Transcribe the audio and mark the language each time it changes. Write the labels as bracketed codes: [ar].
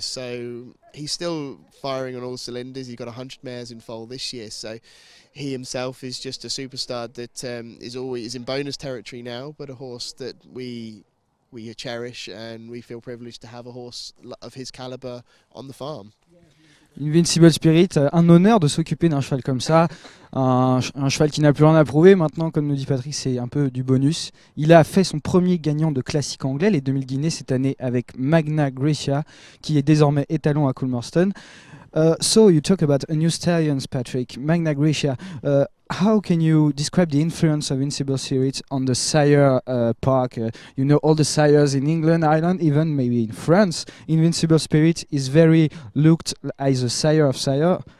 [en] So he's still firing on all cylinders. He's got 100 mares in foal this year. So he himself is just a superstar that is always in bonus territory now, but a horse that we cherish and we feel privileged to have a horse of his caliber on the farm. [fr] Invincible Spirit, un honneur de s'occuper d'un cheval comme ça, un cheval qui n'a plus rien à prouver. Maintenant, comme nous dit Patrick, c'est un peu du bonus. Il a fait son premier gagnant de classique anglais, les 2000 Guinées, cette année avec Magna Grecia, qui est désormais étalon à Coolmerstone. [en] So you talk about a new stallion, Patrick, Magna Grecia. How can you describe the influence of Invincible Spirit on the sire park? You know, all the sires in England, Ireland, even maybe in France, Invincible Spirit is very looked as a sire of sire.